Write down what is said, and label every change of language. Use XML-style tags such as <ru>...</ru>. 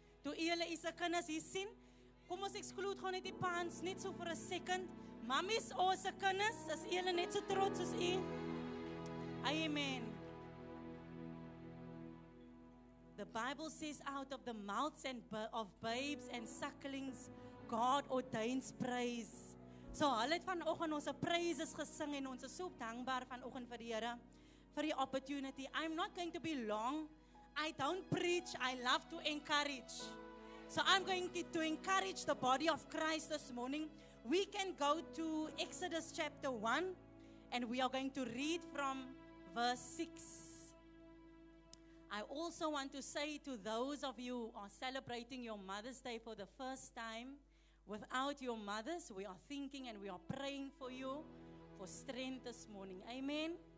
<af>Toe julle is se kinders hier sien, kom ons exclude gaan net die pants, net so</af> <en>for a second.</en> <af>Mamies, ons se kinders, is julle net so trots soos u? Amen.</af> <en>The Bible says, out of the mouths and of babes and sucklings, God ordains praise.</en> <af>So, hulle het vanoggend ons praises gesing en ons is so dankbaar vanoggend vir die Here, vir die opportunity.</af> <en>I'm not going to be long. I don't preach. I love to encourage. So, I'm going to encourage the body of Christ this morning. We can go to Exodus chapter 1 and we are going to read from verse 6. I also want to say to those of you who are celebrating your Mother's Day for the first time, without your mothers, we are thinking and we are praying for you for strength this morning. Amen.</en>